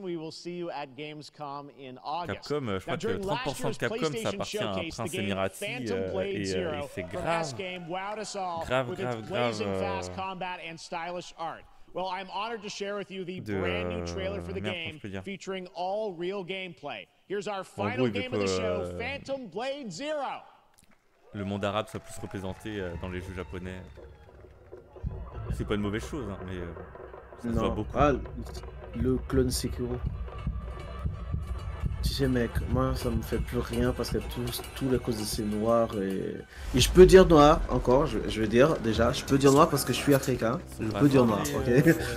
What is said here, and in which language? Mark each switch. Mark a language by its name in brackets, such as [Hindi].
[English] We will see you at Gamescom in August. [French] Capcom, je crois que 30% de Capcom, ça appartient à un prince émirati, et c'est grave. [English] Well, I'm honored to share with you the brand new trailer for the game, featuring all real gameplay. Here's our final game of the show, Phantom Blade Zero. [French] Le monde arabe soit plus représenté dans les jeux japonais. C'est pas une mauvaise chose, hein, mais ça non. Se voit beaucoup. Ah. Le clone Sekiro. Tu sais, mec, moi ça me fait plus rien parce que tout à cause de ces noirs et je peux dire noir encore, je vais dire déjà, je peux dire noir parce que je suis africain, je peux dire noir, ok.